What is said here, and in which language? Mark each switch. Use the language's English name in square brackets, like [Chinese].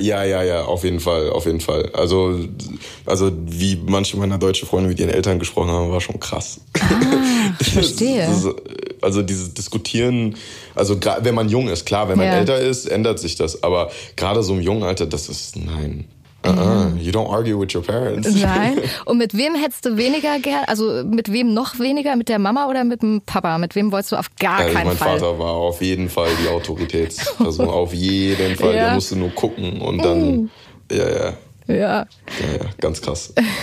[German] Ja, auf jeden Fall. Also wie manche meiner deutschen Freunde mit ihren Eltern gesprochen haben, war schon krass. Ah, ich verstehe. Also dieses Diskutieren, also gerade wenn man jung ist, klar, wenn man älter ist, ändert sich das. Aber gerade so im jungen Alter, das ist, nein. [English] You don't argue with your parents. [German] Nein. Und mit wem hättest du weniger gern, also mit wem noch weniger, mit der Mama oder mit dem Papa? Mit wem wolltest du auf gar keinen Fall? Mein Vater war auf jeden Fall die Autoritätsperson, auf jeden Fall. Ja. Der musste nur gucken und dann, Ja, ganz krass.